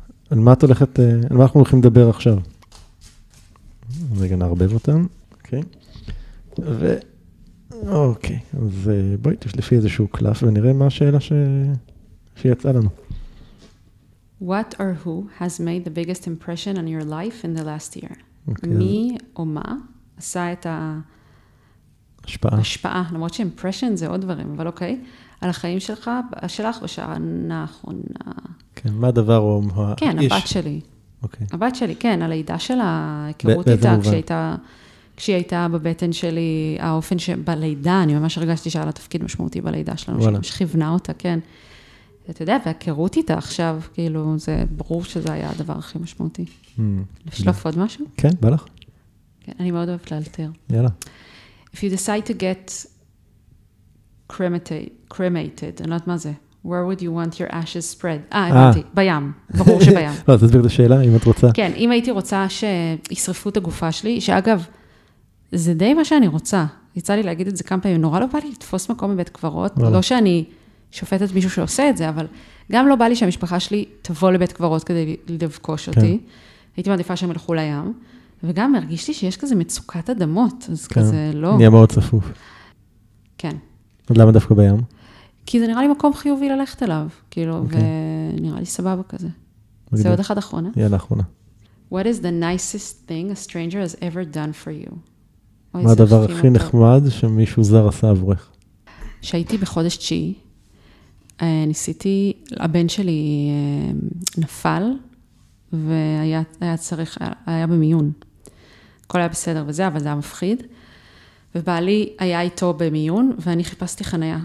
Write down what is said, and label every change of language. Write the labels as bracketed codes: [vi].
[he] על מה את הולכת... על מה אנחנו הולכים לדבר עכשיו? רגע, נערבב אותם. אוקיי. ו... אוקיי, אז בואי תשלפי איזשהו קלף ונראה מה השאלה שיצאה לנו. [en] What or who has made the biggest impression on your life in the last year? [he] מי או מה עשה את ההשפעה, למרות שאימפרשן זה עוד דברים, אבל אוקיי, על החיים שלך, שלך בשנה האחרונה. כן, מה הדבר או האיש? כן, הבת שלי. אוקיי. הבת שלי, כן, על הידע שלה, היכרות איתה כשהייתה... כשהיא הייתה בבטן שלי, האופן שבלידה, אני ממש הרגשתי שהיה לה תפקיד משמעותי בלידה שלנו, שהיא שכיוונה אותה, כן. ואתה יודע, והכירות איתה עכשיו, כאילו, זה ברור שזה היה הדבר הכי משמעותי. לשלוף עוד משהו? כן, בא לך. כן, אני מאוד אוהבת להלתר. יאללה. [en] If you decide to get cremated, [he] אני לא יודעת מה זה, [en] where would you want your ashes spread? [he] הבנתי, בים, ברור שבים. לא, תסביר את השאלה, אם את רוצה. כן, אם הייתי רוצה שישרפו את הגופה שלי, שאגב, זה די מה שאני רוצה. יצא לי להגיד את זה כמה פעמים. נורא לא בא לי לתפוס מקום מבית קברות. לא שאני שופטת מישהו שעושה את זה, אבל גם לא בא לי שהמשפחה שלי תבוא לבית קברות כדי לדבקוש אותי. הייתי מעדיפה שהם הלכו לים. וגם הרגישתי שיש כזה מצוקת אדמות. אז כזה לא... נהיה מאוד צפוף. כן. עוד למה דווקא בים? כי זה נראה לי מקום חיובי ללכת אליו. כאילו, ונראה לי סבבה כזה. זה עוד אחד אחרונה? יאללה אחרונה. [en] What is the nicest thing a stranger has ever done for you? [he] מה הדבר הכי נחמד שמישהו זר עשה עבורך? שהייתי בחודש תשיעי, ניסיתי, הבן שלי נפל, והיה צריך, היה במיון. הכל היה בסדר וזה, אבל זה היה מפחיד. ובעלי היה איתו במיון, ואני חיפשתי חנייה.